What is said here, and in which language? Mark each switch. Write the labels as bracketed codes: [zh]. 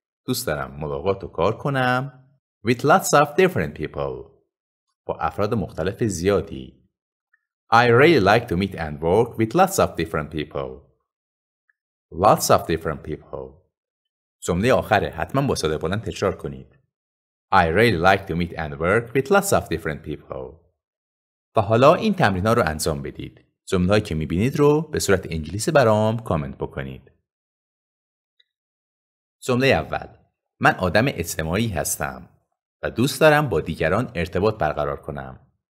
[fa] دوست دارم ملاقات و کار کنم. [en] With lots of different people. [fa] با افراد مختلف زیادی. [en] I really like to meet and work with lots of different people. lots of different people. [fa] جمله آخره حتما با صدای بلند تکرار کنید. [en] I really like to meet and work with lots of different people. [fa] و حالا این تمرین ها رو انجام بدید. جمله هایی که میبینید رو به صورت انگلیسی برام کامنت بکنید. جمله اول. من آدم اجتماعی هستم و دوست دارم با دیگران ارتباط برقرار کنم.